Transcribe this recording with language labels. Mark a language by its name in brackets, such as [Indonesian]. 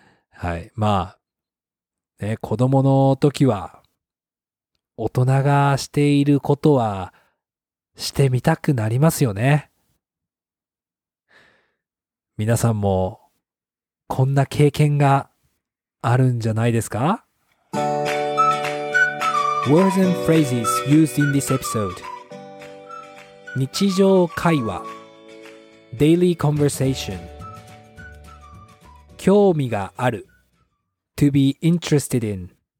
[Japanese] はい、まあ、ね、子供の時は大人がしていることはしてみたくなりますよね。皆さんもこんな経験があるんじゃないですか？ [English] Words and phrases used in this episode. [Japanese] 日常会話 [English] Daily conversation. [Japanese] 興味がある [English] To be interested in.